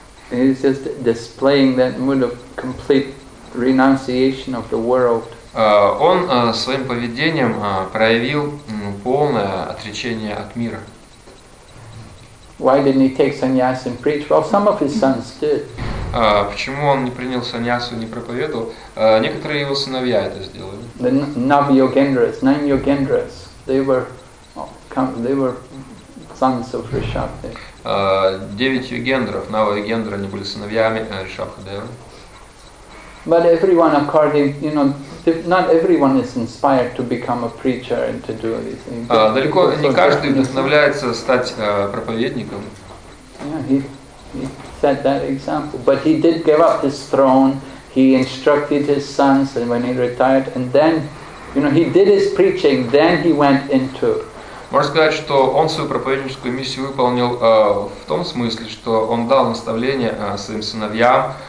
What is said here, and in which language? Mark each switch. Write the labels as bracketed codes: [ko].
[en] He's just displaying that mood of complete renunciation of the world. [ru] Он своим поведением проявил полное отречение от мира. [en] Why didn't he take sannyas and preach? Well, some of his sons did. [ru] Почему он не принял саньясу, не проповедовал? Некоторые его сыновья это сделали. [en] The Navayogendras, nine Yogendras, they were sons of Rishabhadev. [ru] Девять Йогендров, Навайогендры, они были сыновьями Ришабхадевы. [en] But everyone according, you know, not everyone is inspired to become a preacher and to do these things. [ru] Далеко не каждый вдохновляется стать проповедником. [en] Yeah, He set that example. But he did give up his throne. He instructed his sons and when he retired. And then, you know, he did his preaching. Then he went into... [ru] Можно сказать, что он свою проповедническую миссию выполнил в том смысле, что он дал наставление своим сыновьям.